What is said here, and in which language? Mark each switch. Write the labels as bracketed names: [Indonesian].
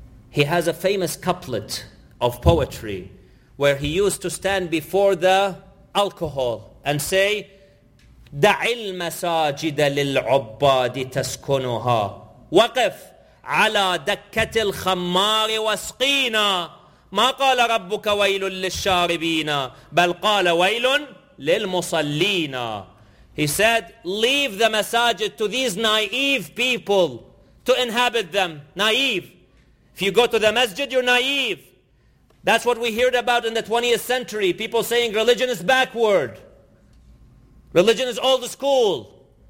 [English] He has a famous couplet of poetry where he used to stand before the alcohol and say, [Arabic] دَعِ الْمَسَاجِدَ لِلْعُبَّادِ تَسْكُنُهَا وَقِفْ عَلَى دَكَّةِ الْخَمَّارِ وَسْقِينَا ما قال ربك ويل للشاربين بل قال ويل للمصلين. [English] He said, leave the masajid to these naive people to inhabit them. Naive. If you go to the masjid, you're naive. That's what we heard about in the 20th century. People saying religion is backward. Religion is old school.